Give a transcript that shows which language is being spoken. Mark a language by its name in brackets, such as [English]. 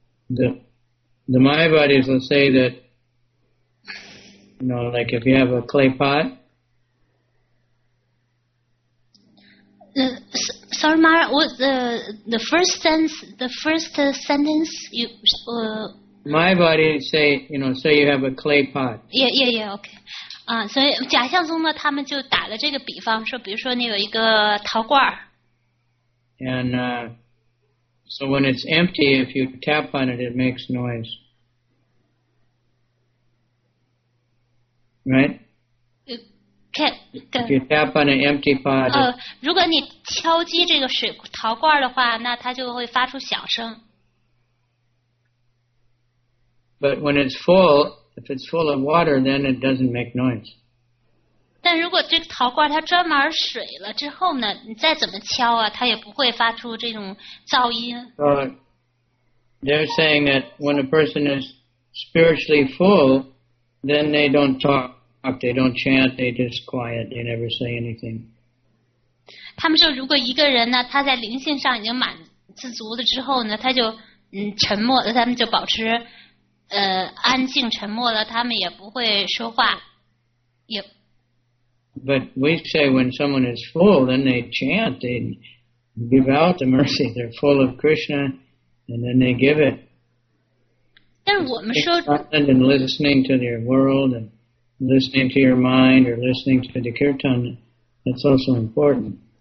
[English] The Mayavadis will say that, you know, like if you have a clay pot. Sorry, Mara, what's the first sentence you... Mayavadis say, you know, say you have a clay pot. Yeah, okay. [Chinese] 所以假象宗呢，他们就打了这个比方，说比如说你有一个陶罐儿。 [English] And so when it's empty, if you tap on it, it makes noise. Right? If you tap on an empty pot. [Chinese] 如果你敲击这个水陶罐的话，那它就会发出响声。 [English] But when it's full, if it's full of water, then it doesn't make noise. [Chinese] 但如果这个陶罐它装满水了之后呢，你再怎么敲啊，它也不会发出这种噪音。 [English] They're saying that when a person is spiritually full, then they don't talk, they don't chant, they just quiet, they never say anything. [Chinese] 他们说，如果一个人呢，他在灵性上已经满自足了之后呢，他就沉默了，他们就保持。安静沉默了，他们也不会说话。也。 [English] But we say when someone is full, then they chant, they give out the mercy. They're full of Krishna, and then they give it. [Chinese] 但是我们说。 [English] And listening to your world, and listening to your mind, or listening to the kirtan, that's also important.